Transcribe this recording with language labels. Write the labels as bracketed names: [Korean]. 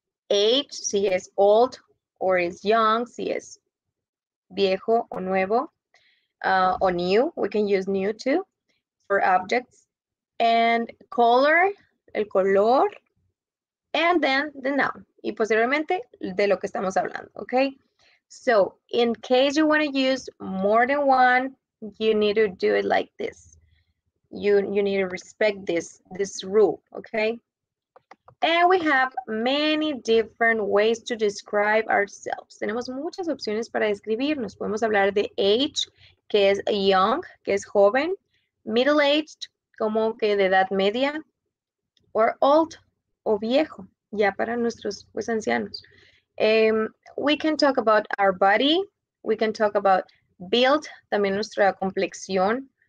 [Spanish] Age, si es [English] old or is young, [Spanish] si es viejo o nuevo. [English] O new, we can use new too for objects. And color, el color. And then the noun. [Spanish] Y posteriormente de lo que estamos hablando, ¿ok? [English] So, in case you want to use more than one, you need to do it like this. You need to respect this rule, okay? And we have many different ways to describe ourselves. [Spanish] Tenemos muchas opciones para describirnos. Podemos hablar de age, que es young, que es joven, middle-aged, como que de edad media, or old, o viejo, ya para nuestros pues ancianos. [English] We can talk about our body. We can talk about build, [Spanish] también nuestra complexión.